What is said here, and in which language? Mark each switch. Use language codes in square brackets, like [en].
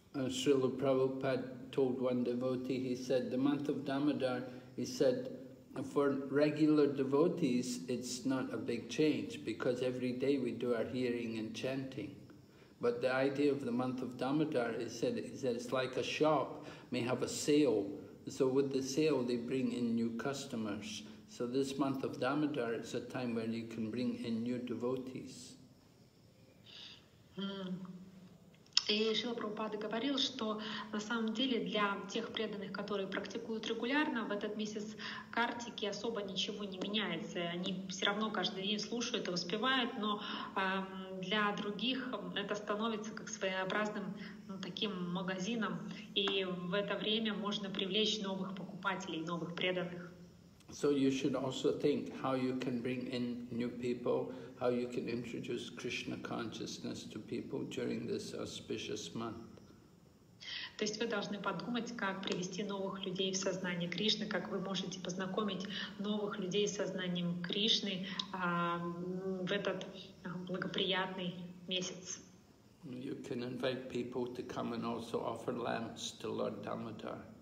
[en] Шрила Прабхупад told one devotee, he said, the month of Дамодар, he said, for regular devotees, it's not a big change, because every day we do our hearing and chanting. But the idea of the month of Дамодар, he said, it's like a shop may have a sale. So with the sale, they bring in new customers. So this month of Дамодар is a time when you can bring in new devotees. [ru] И Шрила Прабхупада говорил, что на самом деле для тех преданных, которые практикуют регулярно, в этот месяц Картики особо ничего не меняется. Они все равно каждый день слушают и воспевают, но для других это становится как своеобразным, ну, таким магазином. И в это время можно привлечь новых покупателей, новых преданных. [en] So you should also think how you can bring in new people, how you can introduce Krishna consciousness to people during this auspicious month. [ru] То есть вы должны подумать, как привести новых людей в сознание Кришны, как вы можете познакомить новых людей с сознанием Кришны в этот благоприятный месяц. [en] You can invite people to come and also offer lamps to Lord Damodar.